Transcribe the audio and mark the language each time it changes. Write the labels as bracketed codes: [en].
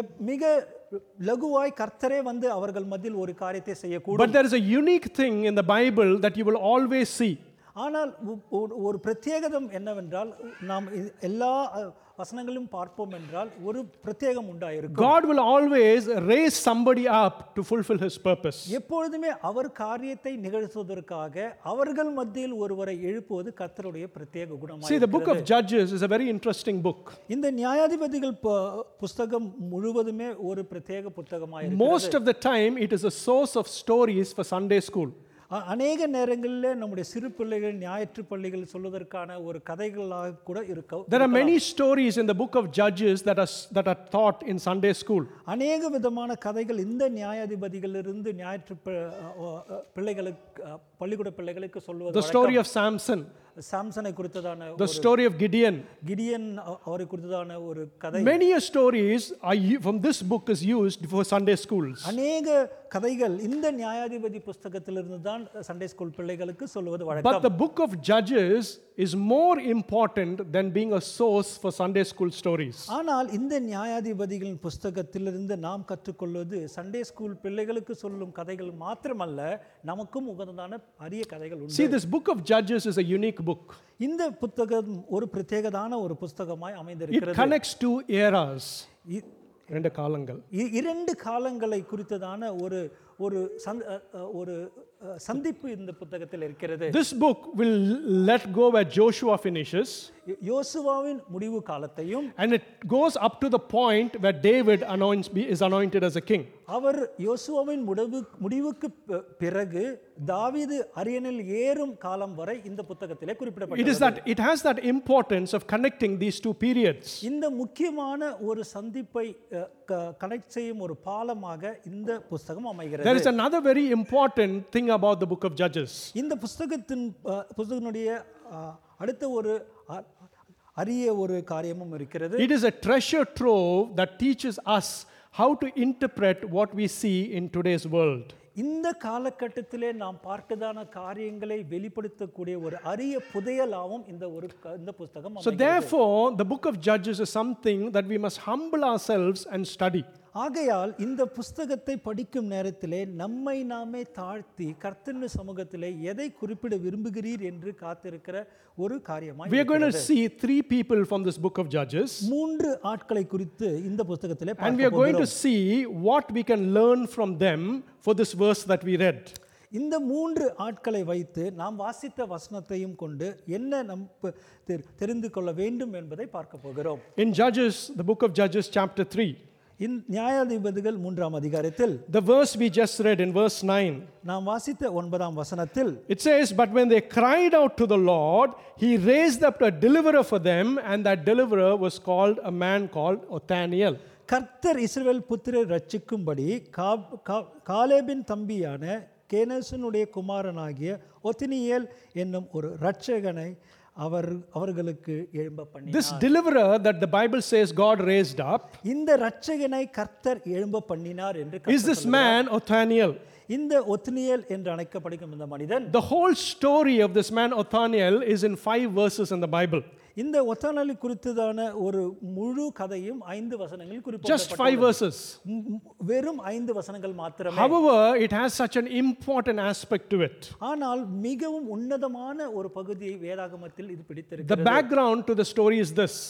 [ta] mega லகுவாய் கர்த்தரே வந்து அவர்கள் மத்தியில் ஒரு காரியத்தை செய்யக்கூடும் [en] But there is a unique thing in the Bible that you will always see. [ta] ஆனால் ஒரு பிரத்யேகதம் என்னவென்றால் நாம் எல்லா வசனங்களையும் பார்ப்போம் என்றால் ஒரு பிரத்யேகம் உண்டாயிருக்கும். [en] God will always raise somebody up to fulfill his purpose. [ta] எப்பொழுதே அவர் காரியத்தை நிகழ்த்துவதற்காக அவர்கள் மத்தியில் ஒருவரை எழுப்புவது கர்த்தருடைய பிரத்யேக குணமாகும். [en] See the book of Judges is a very interesting book. [ta] இந்த நியாயாதிபதிகள் புத்தகம் முழுவதுமே ஒரு பிரத்யேக புத்தகமாக இருக்கிறது. [en] Most of the time it is a source of stories for Sunday school. [ta] அநேக நேரங்களில் நம்முடைய சிறு பிள்ளைகள் ஞாயிற்று பள்ளிகள் சொல்வதற்கான ஒரு கதைகளாக கூட இருக்க [en] There are many stories in the book of Judges that are taught in Sunday school. [ta] அநேக விதமான கதைகள் இந்த நியாயாதிபதிகளிலிருந்து ஞாயிற்று பிள்ளைகளுக்கு பள்ளிக்கூட பிள்ளைகளுக்கு சொல்வது [en] The story of Samson. [ta] சாம்சனை குறித்ததான ஒரு [en] The story of Gideon. [ta] Gideon அவரை குறித்ததான ஒரு கதை. [en] Many stories from this book is used for Sunday schools. [ta] அநேக கதைகள் இந்த நியாயாதிபதி புத்தகத்திலிருந்து தான் சண்டே ஸ்கூல் பிள்ளைகளுக்கு சொல்வது வழக்கம். [en] But the book of Judges is more important than being a source for Sunday school stories. [ta] ஆனால் இந்த நியாயாதிபதிகளின் புத்தகத்திலிருந்து நாம் கற்றுக்கொள்வது சண்டே ஸ்கூல் பிள்ளைகளுக்கு சொல்லும் கதைகள் மட்டுமல்ல நமக்கும் உகந்ததான அரிய கதைகள் உண்டு. [en] See this book of Judges is a unique book. [ta] இந்த புத்தகம் ஒரு பிரத்யேகமான ஒரு புத்தகமாய் அமைந்திருக்கிறது. [en] It connects two eras. [ta] இரண்டு காலங்கள் இரண்டு காலங்களை குறித்ததான ஒரு ஒரு ஒரு சந்திப்பு இந்த புத்தகத்தில் இருக்கிறது [en] This book will let go where Joshua finishes [ta] யோசுவாவின் முடிவு காலத்தையும் [en] and it goes up to the point where David is anointed as a king. [ta] அவர் யோசுவாவின் முடிவுக்கு பிறகு தாவீது அரியணையில் ஏறும் காலம் வரை இந்த புத்தகத்திலே குறிப்பிடப்பட்டது. [en] It has that importance of connecting these two periods. [ta] இந்த முக்கியமான ஒரு சந்திப்பை கனெக்ட் செய்யும் ஒரு பாலமாக இந்த புத்தகம் அமைகிறது. [en] There is another very important thing about the book of Judges. [ta] இந்த புத்தகத்தினுடைய அடுத்த ஒரு அரிய ஒரு காரியமும் இருக்கிறது. [en] It is a treasure trove that teaches us how to interpret what we see in today's world. [ta] இந்த காலகட்டத்திலே நாம் பார்க்கதான காரியங்களை வெளிப்படுத்தக்கூடிய ஒரு அரிய புதையலாவும் இந்த ஒரு இந்த புத்தகம் அமைகிறது. [en] So therefore the book of Judges is something that we must humble ourselves and study. [ta] ஆகையால் இந்த புஸ்தகத்தை படிக்கும் நேரத்திலே நம்மை நாமே தாழ்த்தி கர்த்தர் சமூகத்திலே எதை குறிப்பிட விரும்புகிறீர் என்று காத்திருக்கிற ஒரு காரியமாக [en] We are going to see three people from this book of Judges. [ta] மூன்று ஆட்களை குறித்து இந்த புஸ்தகத்திலே பார்க்க போகிறோம். [en] And we are going to see what we can learn from them for this verse that we read. [ta] இந்த மூன்று ஆட்களை வைத்து நாம் வாசித்த வசனத்தையும் கொண்டு என்ன நம் தெரிந்து கொள்ள வேண்டும் என்பதை பார்க்க போகிறோம். [en] In Judges, the book of Judges chapter 3. [ta] நியாயாதிபதிகள் மூன்றாம் அதிகாரத்தில் [en] The verse we just read in verse 9 [ta] நாம் வாசித்த ஒன்பதாம் வசனத்தில் [en] It says but when they cried out to the Lord he raised up a deliverer for them and that deliverer was called a man called Othniel [ta] கர்த்தர் இஸ்ரவேல் புத்திரரை ரட்சிக்கும்படி காலேபின் தம்பியான கேனேசனுடைய குமாரனாகிய ஒத்னியேல் என்னும் ஒரு இரட்சகனை அவர்களுக்கு எழும்ப பண்ணினார் [en] This deliverer that the Bible says God raised up [ta] இந்த இரட்சகனை கர்த்தர் எழும்ப பண்ணினார் என்று [en] Is this man Othniel [ta] இந்த ஒத்னியேல் என்று அழைக்கப்படும் இந்த மனிதன் [en] The whole story of this man Othniel is in 5 verses in the Bible [ta] இந்த ஒத்னியேல் குறித்ததான ஒரு முழு கதையும் 5 வசனங்களில் குறிப்பிடப்பட்டுள்ளது [en] Just 5 verses [ta] வெறும் 5 வசனங்கள் மட்டுமே [en] However it has such an important aspect to it [ta] ஆனால் மிகவும் உன்னதமான ஒரு பகுதியை வேதாகமத்தில் இது பிடித்திருக்கிறது [en] The background to the story is this